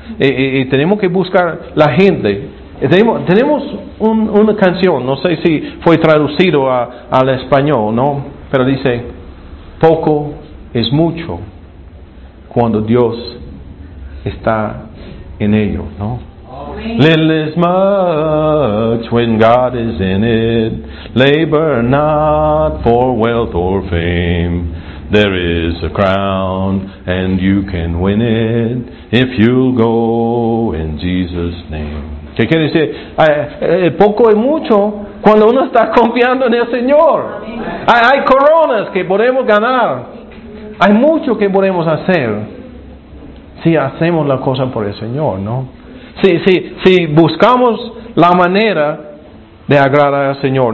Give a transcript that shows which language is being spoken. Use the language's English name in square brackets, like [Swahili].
[Spanish] Y tenemos que buscar la gente. Tenemos una canción, no sé si fue traducido al español, ¿no? Pero dice, poco es mucho cuando Dios está en ello, ¿no? [English] Little is much when God is in it. Labor not for wealth or fame. There is a crown and you can win it if you'll go in Jesus' name. [Spanish] ¿Qué quiere decir? Poco es mucho cuando uno está confiando en el Señor. Hay coronas que podemos ganar. Hay mucho que podemos hacer si hacemos la cosa por el Señor, ¿no? Si buscamos la manera de agradar al Señor.